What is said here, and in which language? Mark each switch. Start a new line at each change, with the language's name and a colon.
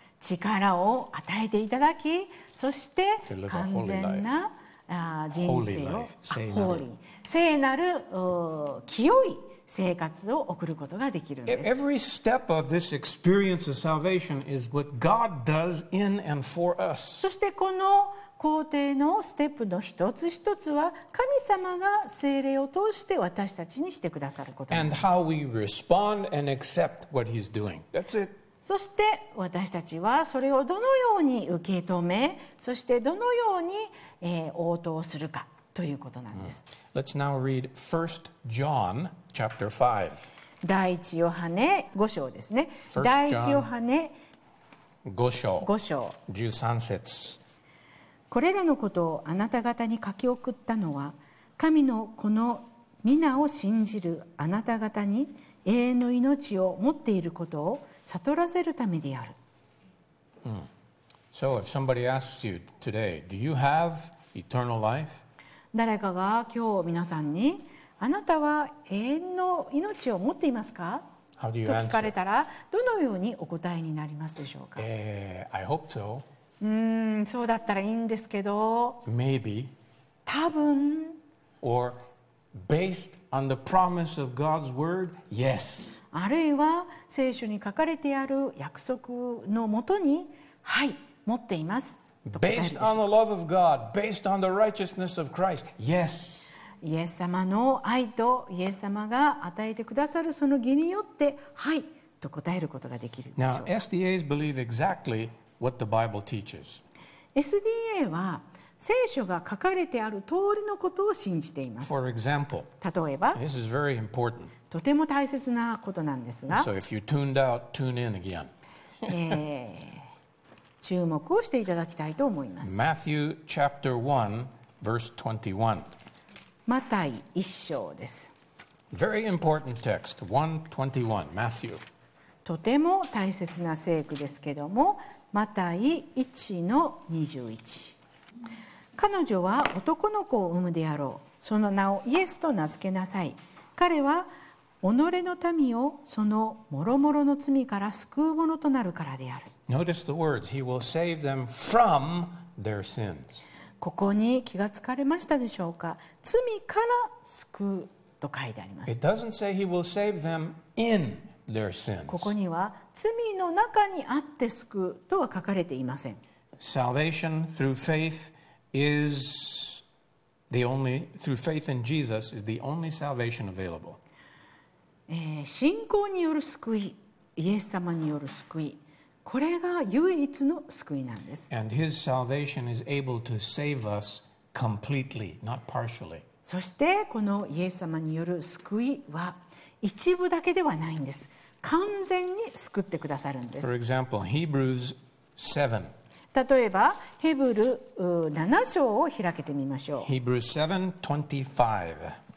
Japanese: 力を与えていただき、そして完全な人生を、聖なる清い生活を送ることができるんです。
English: Every step of this experience of salvation is what God does in and for us.
Japanese: そしてこの工程のステップの一つ一つは神様が聖霊を通して私たちにしてくださること。
English: And how we respond and accept what He's doing. That's it.
Japanese: そして私たちはそれをどのように受け止め、そしてどのように応答するかということなんです。
English: Let's now read 1 John chapter 5.
Japanese: 第1ヨハネ5章ですね。第1 ヨハネ 5章13節。これらのことをあなた方に書き送ったのは、神のこの御名を信じるあなた方に永遠の命を持っていることを悟らせるためである。
English: So if somebody asks you today, do you have eternal life?
Japanese: 誰かが今日皆さんに、あなたは永遠の命を持っていますか？
English: How do you
Japanese: と聞かれたら、どのようにお答えになりますでしょうか？
English: I hope so.
Japanese: そうだったらいいんですけど。
English: Maybe.
Japanese: 多分。
English: Or based on the promise of God's word, yes.
Japanese: あるいは聖書に書かれてある約束のもとに、はい、持っていますと。
English: Based on the love of God, based on the righteousness of Christ, yes.
Japanese: イエス様の愛とイエス様が与えてくださるその義によってはいと答えることができるでしょう。
English: Now, SDAs believe exactly what the Bible teaches.
Japanese: SDA は聖書が書かれてある通りのことを信じています。
English: For example,
Japanese: 例えば
English: This is very important.
Japanese: とても大切なことなんですが、
English: So if you tuned out, tune in again.
Japanese: 注目をしていただきたいと思います。
English: Matthew chapter 1 verse 21
Japanese: マタイ一章です。
English: Very important text, 121, Matthew.
Japanese: とても大切な聖句ですけども、マタイ 1-21。彼女は男の子を産むであろう。その名をイエスと名付けなさい。彼は己の民をその諸々の罪から救うものとなるからである。
English: Notice the words, he will save them from their sins.
Japanese: ここに気がつかれましたでしょうか。罪から救うと書いてあります。
English: It doesn't say he will save them in their sins.
Japanese: ここには罪の中にあって救うとは書かれていません。
English: Salvation through faith is the only through faith in Jesus is the only salvation available.
Japanese: 信仰による救い、イエス様による救い。これが唯一の救いなんです。
English: And his salvation is able to save us completely, not partially.
Japanese: そしてこのイエス様による救いは一部だけではないんです。完全に救ってくださるんです。
English: For example, Hebrews 7.
Japanese: 例えばヘブル7章を開けてみましょう。
English: Hebrews 7:25.